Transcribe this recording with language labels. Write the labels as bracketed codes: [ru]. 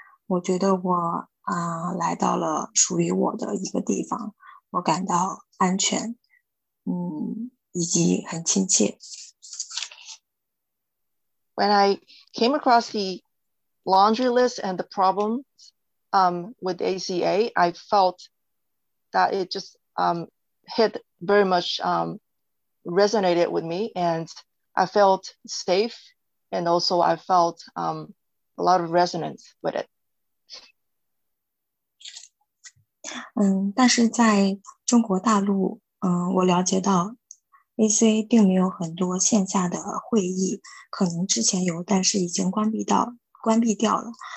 [zh] 我觉得我来到了属于我的一个地方，我感到安全，以及很亲切。 [en] When I came across the laundry list and the problems with ACA, I felt that it just hit very much resonated with me, and I felt safe, and also I felt a lot of resonance with it. [zh] 但是在中国大陆，我了解到 ACA 并没有很多线下的会议，可能之前有，但是已经关闭掉了。